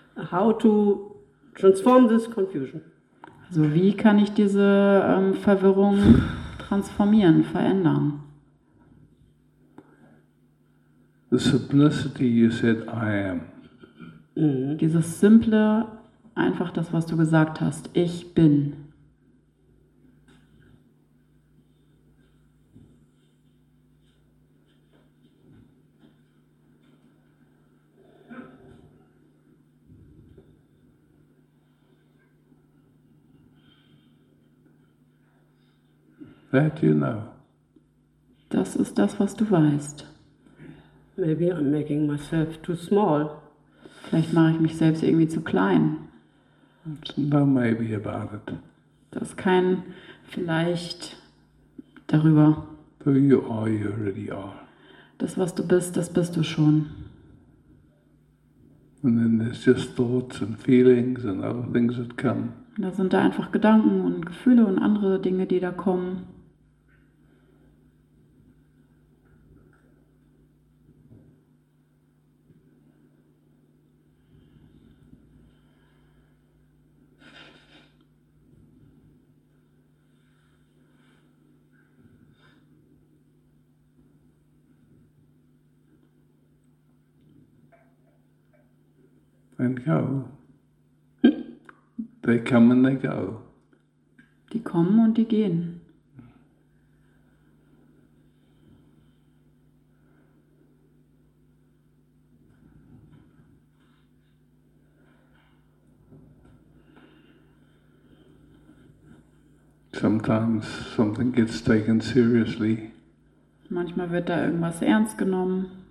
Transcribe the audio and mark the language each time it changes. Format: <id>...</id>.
<en>How to transform this confusion?</en> <de>Also, wie kann ich diese Verwirrung transformieren, verändern?</de> <en>The simplicity you said I am.</en> <de>Dieses simple, einfach das, was du gesagt hast, ich bin.</de> <en>That you know.</en> <de>Das ist das, was du weißt.</de> <en>Maybe I'm making myself too small.</en> <de>Vielleicht mache ich mich selbst irgendwie zu klein.</de> <en>It's no maybe about it.</en> <de>Das ist kein vielleicht darüber.</de> <en>Who you are, you already are.</en> <de>Das, was du bist, das bist du schon.</de> <en>And then there's just thoughts and feelings and other things that come.</en> <de>Da sind da einfach Gedanken und Gefühle und andere Dinge, die da kommen.</de> <en>And go. They come and they go.</en> <de>Die kommen und die gehen.</de> <en>Sometimes something gets taken seriously.</en> <de>Manchmal wird da irgendwas ernst genommen.</de>